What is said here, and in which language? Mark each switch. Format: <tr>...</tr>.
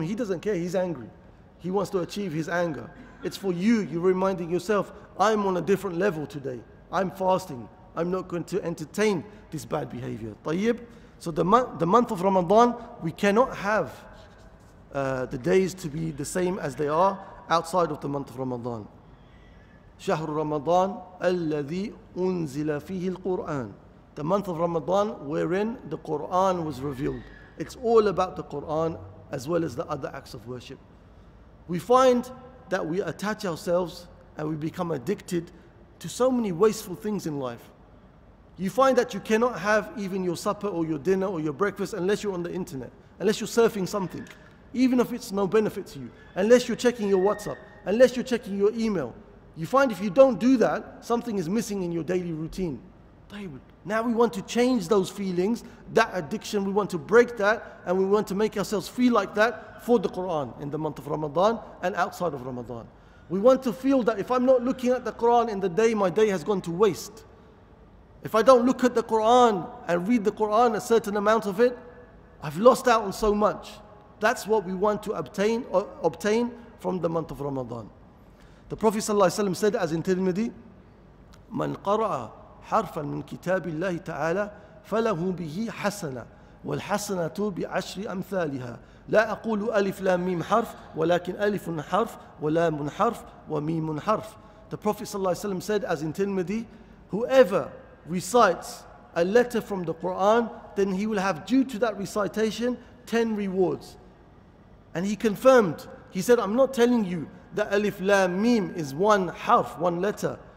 <en>He doesn't care, he's angry. He wants to achieve his anger. It's for you, you're reminding yourself, "I'm on a different level today. I'm fasting. I'm not going to entertain this bad behavior." Tayyib, so the month of Ramadan, we cannot have the days to be the same as they are outside of the month of Ramadan.</en> <ar>شهر رمضان الذي أنزل فيه القرآن.</ar> <en>The month of Ramadan wherein the Quran was revealed. It's all about the Quran as well as the other acts of worship. We find that we attach ourselves and we become addicted to so many wasteful things in life. You find that you cannot have even your supper or your dinner or your breakfast unless you're on the internet, unless you're surfing something, even if it's no benefit to you, unless you're checking your WhatsApp, unless you're checking your email. You find if you don't do that, something is missing in your daily routine. Now we want to change those feelings, that addiction, we want to break that, and we want to make ourselves feel like that for the Quran in the month of Ramadan and outside of Ramadan. We want to feel that if I'm not looking at the Quran in the day, my day has gone to waste. If I don't look at the Quran and read the Quran, a certain amount of it, I've lost out on so much. That's what we want to obtain from the month of Ramadan. The Prophet ﷺ said, as in Tirmidhi,</en> <ar>مَنْ قَرَعَ حَرْفًا مِنْ كِتَابِ اللَّهِ تَعَالَى فَلَهُ بِهِ حَسَنًا وَالْحَسَنَةُ بِعَشْرِ أَمْثَالِهَا لَا أَقُولُ أَلِفْ لَا مِيمْ حَرْفْ وَلَكِنْ أَلِفٌ حَرْفْ وَلَامٌ حَرْفْ وَمِيمٌ حَرْفْ.</ar> <en>The Prophet ﷺ said, as in Tirmidhi, whoever recites a letter from the Quran, then he will have, due to that recitation, 10 rewards. And he confirmed, he said, I'm not telling you that Alif Lam Mim is one harf, one letter.</en>